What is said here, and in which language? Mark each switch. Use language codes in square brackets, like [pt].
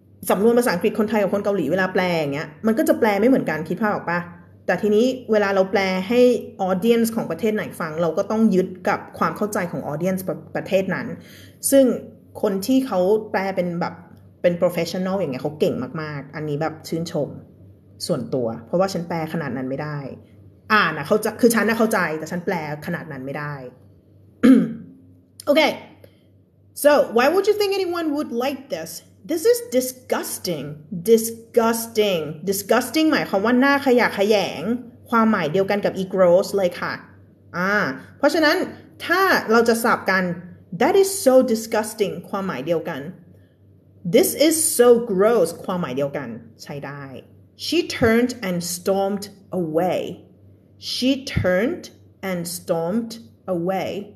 [th] สำนวนภาษาอังกฤษคนไทยกับคนเกาหลีเวลาแปลอย่างเงี้ยมันก็จะแปลไม่เหมือนกันคิดภาพออกปะแต่ทีนี้เวลาเราแปลให้ออเดียนส์ของประเทศไหนฟังเราก็ต้องยึดกับความเข้าใจของออเดียนส์ประเทศนั้นซึ่งคนที่เขาแปลเป็นแบบเป็นโปรเฟสชันนอลอย่างเงี้ยเขาเก่งมากๆอันนี้แบบชื่นชมส่วนตัวเพราะว่าฉันแปลขนาดนั้นไม่ได้อ่านอ่ะเขาจะคือฉันน่ะเข้าใจแต่ฉันแปลขนาดนั้นไม่ได้โอเค [en] So, why would you think anyone would like this? This is disgusting. Disgusting. [th] Disgusting หมายความว่าน่าขยะแขยงความหมายเดียวกันกับ gross เลยค่ะเพราะฉะนั้นถ้าเราจะสับกัน [en] that is so disgusting [th] ความหมายเดียวกัน [en] this is so gross [th] ความหมายเดียวกันใช้ได้ [en] she turned and stormed away [th] she turned and stormed away